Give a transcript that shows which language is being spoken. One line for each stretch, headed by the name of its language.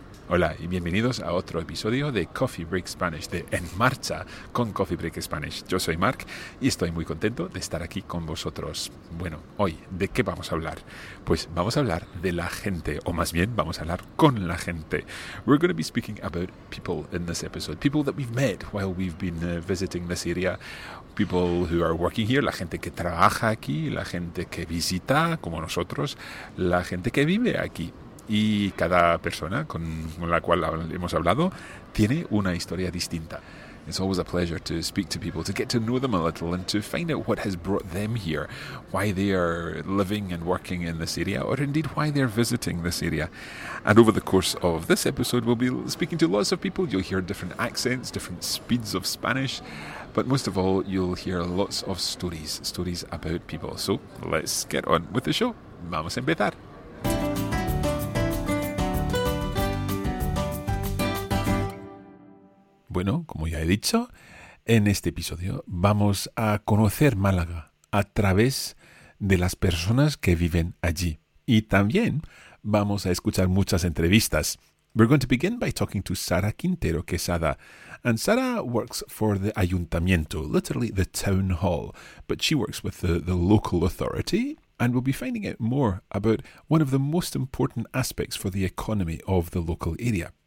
Spanish: Hola y bienvenidos a otro episodio de Coffee Break Spanish, de En Marcha con Coffee Break Spanish. Yo soy Mark y estoy muy contento de estar aquí con vosotros. Bueno, hoy, ¿de qué vamos a hablar? Pues vamos a hablar de la gente, o más bien, vamos a hablar con la gente.
English: We're going to be speaking about people in this episode. People that we've met while we've been visiting this area. People who are working here,
Spanish: la gente que trabaja aquí, la gente que visita, como nosotros, la gente que vive aquí. Y cada persona con la cual hemos hablado tiene una historia distinta.
English: It's always a pleasure to speak to people, to get to know them a little and to find out what has brought them here, why they are living and working in this area, or indeed why they're visiting this area. And over the course of this episode, we'll be speaking to lots of people. You'll hear different accents, different speeds of Spanish, but most of all, you'll hear lots of stories, stories about people. So let's get on with the show.
Spanish: Vamos a empezar. Bueno, como ya he dicho, en este episodio vamos a conocer Málaga a través de las personas que viven allí. Y también vamos a escuchar muchas entrevistas.
English: We're going to begin by talking to Sara Quintero Quesada. And Sara works for the Ayuntamiento, literally the town hall. But she works with the local authority. And we'll be finding out more about one of the most important aspects for the economy of the local area.